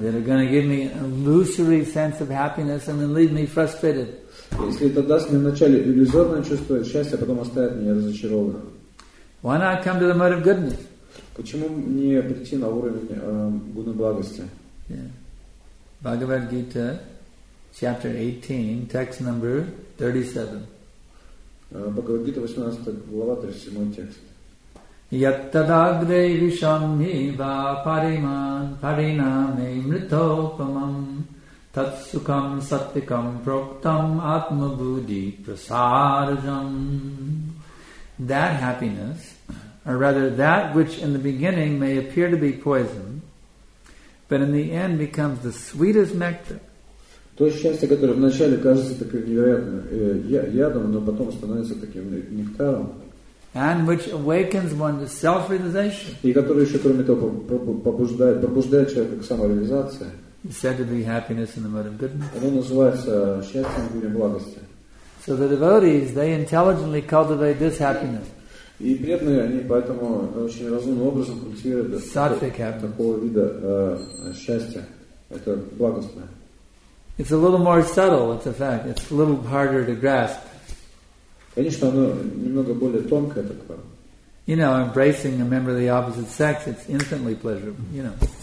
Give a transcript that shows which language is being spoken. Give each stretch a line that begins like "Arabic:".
English: They're going to give me an illusory sense of happiness and then leave me frustrated.
Russian: Если это даст мне вначале иллюзорное чувство счастья, а потом оставит меня разочарованным.
English: Why not come to the mode of goodness?
Russian: Почему не прийти на уровень гуны благости?
English: Bhagavad Gita, chapter 18, text number 37.
Russian: Bhagavad Gita, 18 глава, 37 текст.
Sanskrit: Yattadagre vishamhi va pariman pariname mritopamam tatsukam sattikam proktam atmabuddhi prasarajam.
English: That happiness, or rather that which in the beginning may appear to be poison, but in the end becomes the sweetest nectar.
Russian: То счастье, которое вначале кажется таким невероятным ядом, но потом становится таким нектаром.
English: And which awakens one to self-realization.
Russian: И который еще кроме того пробуждает человека к самореализации.
English: It's said to be happiness in the mode of goodness.
Russian: Оно называется счастьем в мире благости.
English: So the devotees, they intelligently cultivate this happiness.
Russian: И преданные, они поэтому очень разумным образом культивируют такого вида счастья. Это благостное.
English: It's a little more subtle, it's a fact. It's a little harder to grasp.
Russian: Конечно, оно немного более тонкое такое.
English: You know, embracing a member of the opposite sex, it's instantly pleasurable, you know.